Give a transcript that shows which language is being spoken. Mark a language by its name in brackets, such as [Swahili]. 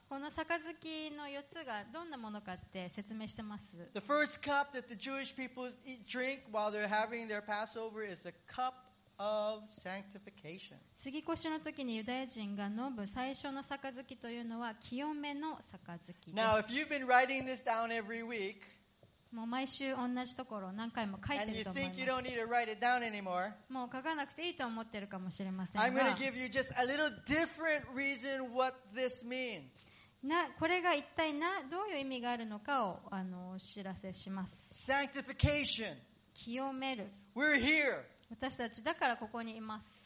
[Japanese] この杯の4つがどんなものかって説明してます。 [English] The first cup that the Jewish people eat, drink while they're having their Passover is the cup of sanctification. [Japanese] 杉越の時にユダヤ人が飲む最初の杯というのは清めの杯です。 [English] Now, if you've been writing this down every week, [Japanese] もう毎週同じところを何回も書いてると思います。 [English] And you think you anymore, [Japanese] もう書かなくていいと思ってるかもしれませんが。 [English] I'm going to give you just a little different reason what this means. [Japanese] これが一体どういう意味があるのかをお知らせします。 [English] Sanctification. [Japanese] 清める。 [English] We're here. [Japanese] 私たちだからここにいます。